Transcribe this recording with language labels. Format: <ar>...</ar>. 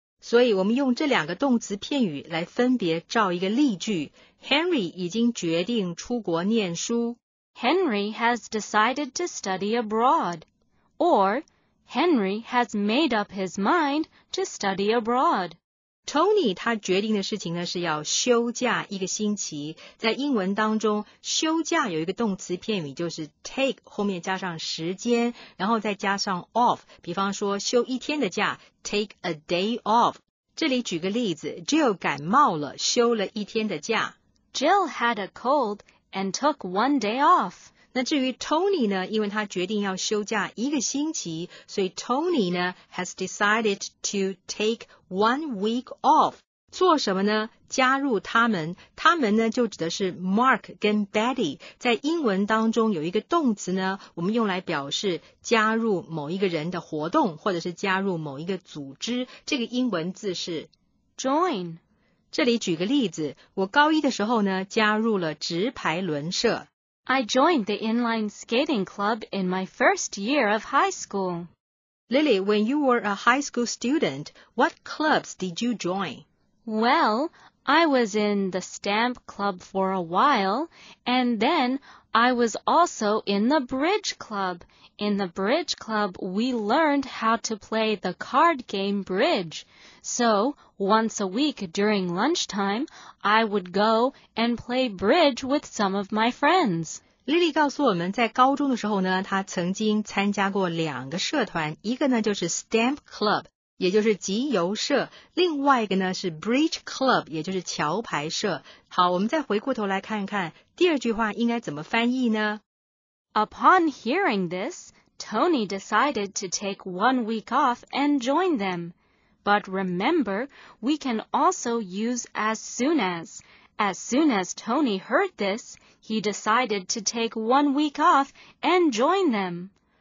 <zh>所以我们用这两个动词片语来分别造一个例句。 Henry 已经决定出国念书。</zh> <en>Henry has decided to study abroad. Or, Henry has made up his mind to study abroad.</en> <zh>Tony 他决定的事情呢是要休假一个星期。在英文当中，休假有一个动词片语就是 take, 后面加上时间，然后再加上 off, 比方说休一天的假 ,</zh> <en>take a day off。</en> <zh>这里举个例子 ,Jill 感冒了休了一天的假。</zh> <en>Jill had a cold and took one day off.</en> <zh>那至于 Tony 呢，因为他决定要休假一个星期，所以 Tony 呢</zh> <en>has decided to take one week off.</en> <zh>做什么呢？加入他们。他们呢就指的是 Mark 跟 Betty。在英文当中有一个动词呢，我们用来表示加入某一个人的活动，或者是加入某一个组织。这个英文字是</zh> <en>join。</en> <zh>这里举个例子，我高一的时候呢，加入了直排轮社。</zh> <en>I joined the inline skating club in my first year of high school. Lily, when you were a high school student, what clubs did you join? Well, I was in the stamp club for a while, and then I was also in the bridge club. In the bridge club, we learned how to play the card game bridge. So, once a week during lunchtime, I would go and play bridge with some of my friends.</en> <zh>Lily 告诉我们，在高中的时候呢，她曾经参加过两个社团，一个呢就是 stamp club，也就是集邮社，另外一个呢是 Bridge Club， 也就是桥牌社。好，我们再回过头来看看第二句话应该怎么翻译呢？</zh> <en>Upon hearing this, Tony decided to take one week off and join them. But remember, we can also use as soon as. As soon as Tony heard this, he decided to take one week off and join them.</en>